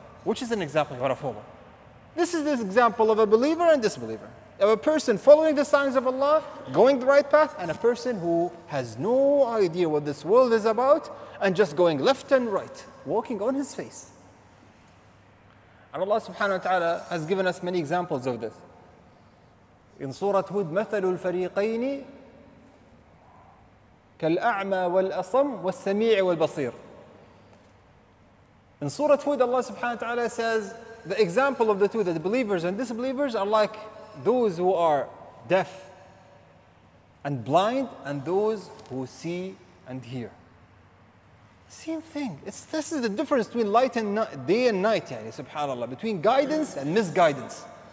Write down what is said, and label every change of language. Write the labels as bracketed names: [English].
[English] Which is an example you want to follow? This is this example of a believer and disbeliever. Of a person following the signs of Allah, going the right path, and a person who has no idea what this world is about, and just going left and right, walking on his face. And Allah subhanahu wa ta'ala has given us many examples of this. In Surah Hud, [Arabic] مَثَلُ الْفَرِيقَيْنِ كَالْأَعْمَى وَالْأَصَمْ وَالسَّمِيعِ وَالْبَصِيرِ. [English] In Surah Hud, Allah subhanahu wa ta'ala says, the example of the two, that the believers and disbelievers are like those who are deaf and blind and those who see and hear. Same thing. This is the difference between light and day and night, yani, subhanAllah, between guidance and misguidance.